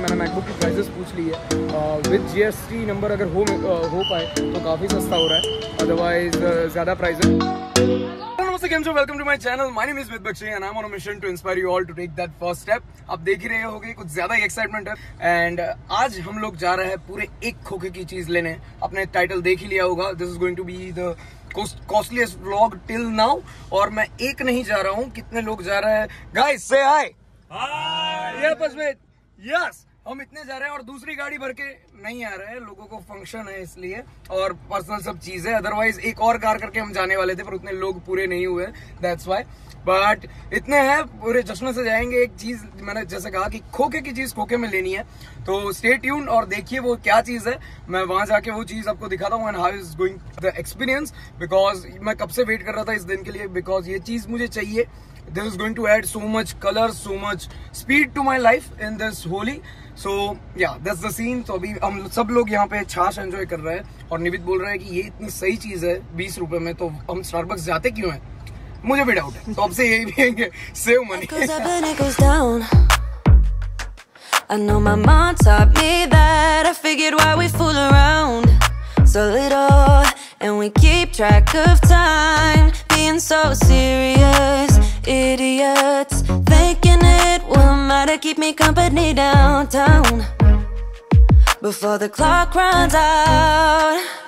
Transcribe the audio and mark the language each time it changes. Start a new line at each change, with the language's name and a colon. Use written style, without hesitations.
Hindi: मैंने मैकबुक की प्राइसेस पूछ ली है,
English: with GST number
Hindi: अगर हो पाए तो काफ़ी सस्ता हो रहा है, अदरवाइज ज़्यादा प्राइस है।
English: Welcome to my channel. My name is Baxi and I'm on a mission to inspire you all to take that first step.
Hindi: आप देख ही रहे होंगे कुछ ज्यादा ही एक्साइटमेंट है एंड आज हम लोग जा रहे हैं पूरे एक खोखे की चीज लेने। आपने टाइटल देख ही लिया होगा,
English: This is going to be the costliest vlog till now.
Hindi: और मैं एक नहीं जा रहा हूँ, कितने लोग जा रहे हैं? गाइस से हाय, यस हम इतने जा रहे हैं और दूसरी गाड़ी भर के नहीं आ रहे हैं, लोगों को फंक्शन है इसलिए और पर्सनल सब चीजें, अदरवाइज एक और कार करके हम जाने वाले थे पर उतने लोग पूरे नहीं हुए, दैट्स व्हाई। बट इतने हैं, पूरे जश्न से जाएंगे। एक चीज मैंने जैसे कहा कि खोखे की चीज खोखे में लेनी है, तो
English: stay tuned
Hindi: और देखिए वो क्या चीज है। मैं वहां जाके वो चीज आपको दिखाता हूँ
English: and how is going the experience,
Hindi: because मैं कब से वेट कर रहा था इस दिन के लिए, बिकॉज ये चीज मुझे चाहिए।
English: This is going to add so much color, so much speed to my life in this Holi. So yeah, that's the scene.
Hindi: So अभी हम सब लोग यहाँ पे छाछ enjoy कर रहे हैं और निवित बोल रहा है कि ये इतनी सही चीज है 20 रुपए में, तो हम Starbucks जाते क्यों हैं? मुझे भी doubt है, तो अब से यही भी है,
English: save money. Cause up and it goes down. I know my mom taught me that. I figured why we fool around so little and we keep track of time, being so serious. Idiots thinking it will matter, keep me company downtown before the clock runs out.